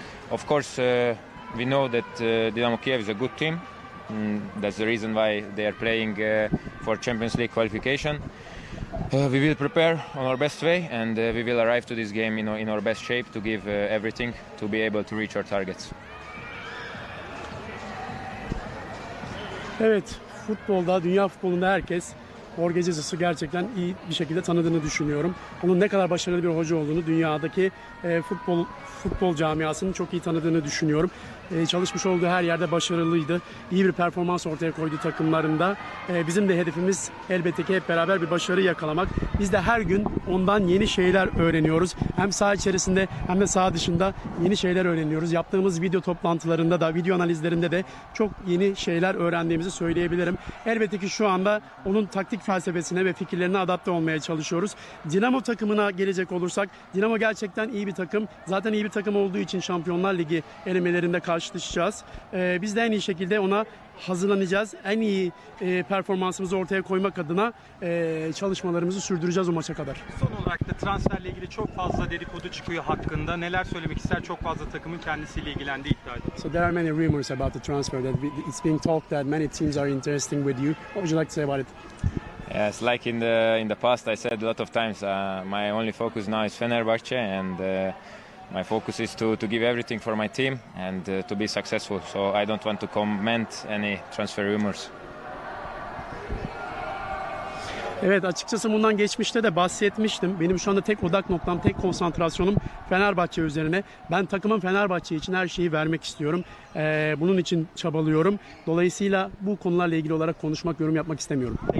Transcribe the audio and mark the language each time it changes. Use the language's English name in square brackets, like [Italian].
[English] Of course, we know that Dynamo Kiev is a good team. That's the reason why they are playing for Champions League qualification. We will prepare on our best way, and we will arrive to this game in our best shape to give everything to be able to reach our targets. [Turkish] Evet, futbolda, dünya futbolunda herkes Jorge Jesus'u gerçekten iyi bir şekilde tanıdığını düşünüyorum. Onun ne kadar başarılı bir hoca olduğunu, dünyadaki futbol camiasının çok iyi tanıdığını düşünüyorum. Çalışmış olduğu her yerde başarılıydı. İyi bir performans ortaya koydu takımlarında. Bizim de hedefimiz elbette ki hep beraber bir başarı yakalamak. Biz de her gün ondan yeni şeyler öğreniyoruz. Hem saha içerisinde hem de saha dışında yeni şeyler öğreniyoruz. Yaptığımız video toplantılarında da, video analizlerinde de çok yeni şeyler öğrendiğimizi söyleyebilirim. Elbette ki şu anda onun taktik felsefesine ve fikirlerine adapte olmaya çalışıyoruz. Dinamo takımına gelecek olursak, Dinamo gerçekten iyi bir takım. Zaten iyi bir takım olduğu için Şampiyonlar Ligi elemelerinde karşılaşacağız. Biz de en iyi şekilde ona hazırlanacağız. En iyi performansımızı ortaya koymak adına çalışmalarımızı sürdüreceğiz o maça kadar. Son olarak da transferle ilgili çok fazla dedikodu çıkıyor hakkında. Neler söylemek ister? Çok fazla takımın kendisiyle ilgilendiği iddia ediyor. [English] So there are many rumors about the transfer that it's being talked that many teams are interested with you. What would you like to say about it? Yes, like in the past I said a lot of times my only focus now is Fenerbahçe and my focus is to give everything for my team and to be successful. So I don't want to comment any transfer rumors. [Turkish] Evet, açıkçası bundan geçmişte de bahsetmiştim. Benim şu anda tek odak noktam, tek konsantrasyonum Fenerbahçe üzerine. Ben takımın Fenerbahçe için her şeyi vermek istiyorum. Bunun için çabalıyorum. Dolayısıyla bu konularla ilgili olarak konuşmak, yorum yapmak istemiyorum.